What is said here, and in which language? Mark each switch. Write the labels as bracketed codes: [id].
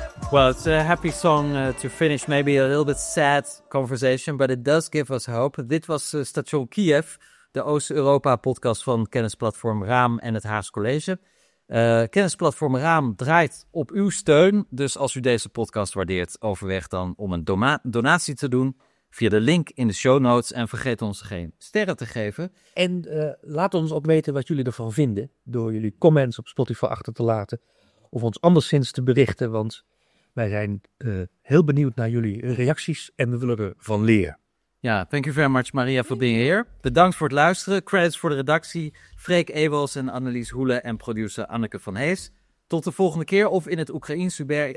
[en] Well, it's a happy song to finish, maybe a little bit sad conversation, but it does give us hope. [nl] Dit was Station Kiev, de Oost-Europa-podcast van kennisplatform Raam en het Haagse College. Kennisplatform Raam draait op uw steun, dus als u deze podcast waardeert, overweeg dan om een donatie te doen via de link in de show notes en vergeet ons geen sterren te geven. En laat ons ook weten wat jullie ervan vinden door jullie comments op Spotify achter te laten of ons anderszins te berichten, want wij zijn heel benieuwd naar jullie reacties en we willen ervan leren. [en] Ja, thank you very much, Maria, for being here. [nl] Bedankt voor het luisteren. Credits voor de redactie. Freek Ewels en Annelies Hoele en producer Anneke van Hees. Tot de volgende keer of in het Oekraïns, Hubert.